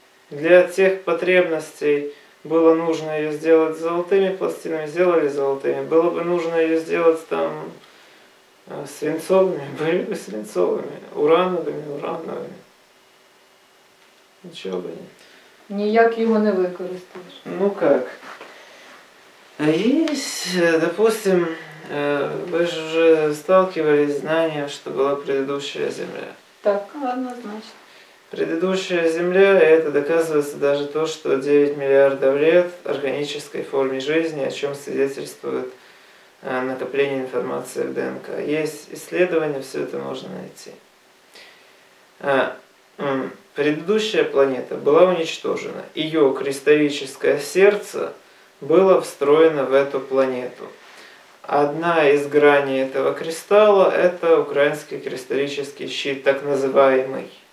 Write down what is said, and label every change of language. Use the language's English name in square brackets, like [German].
[Russian] Для тех потребностей было нужно ее сделать золотыми пластинами, сделали золотыми. Было бы нужно ее сделать там свинцовыми, были бы свинцовыми, урановыми. [Ukrainian] Нічого би ні. Ніяк його не використаєш. Ну як? Є, допустим, ви ж вже сталкивались з знанням, що була [Russian] предыдущая земля. [Ukrainian] Так, однозначно. [Russian] Предыдущая земля, [Ukrainian] і це доказується навіть то, що 9 мільярдів років органічній формі життя, о чому свідчить накоплення інформації в ДНК. Є дослідження, все це можна знайти. [Russian] Предыдущая планета была уничтожена. Ее кристаллическое сердце было встроено в эту планету. Одна из граней этого кристалла – это украинский кристаллический щит, так называемый.